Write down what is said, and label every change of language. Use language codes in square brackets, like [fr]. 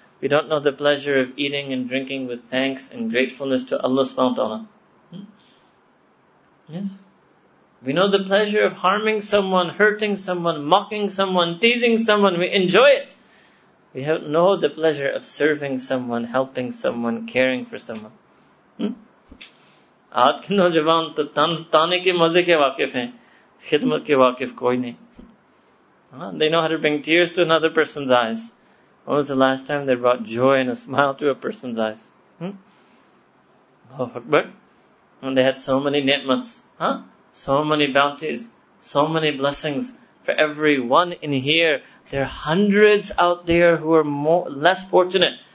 [en] We don't know the pleasure of eating and drinking with thanks and gratefulness to Allah subhanahu wa ta'ala. Yes. We know the pleasure of harming someone, hurting someone, mocking someone, teasing someone. We enjoy it. We know the pleasure of serving someone, helping someone, caring for someone. [ur] آج کے نوجوان تو طنز طانے کے مزے کے واقف ہیں, خدمت کے واقف کوئی نہیں. [en] They know how to bring tears to another person's eyes. When was the last time they brought joy and a smile to a person's eyes? Allahu Akbar. And they had so many ni'mats, so many bounties, so many blessings. For everyone in here, there are hundreds out there who are more less fortunate.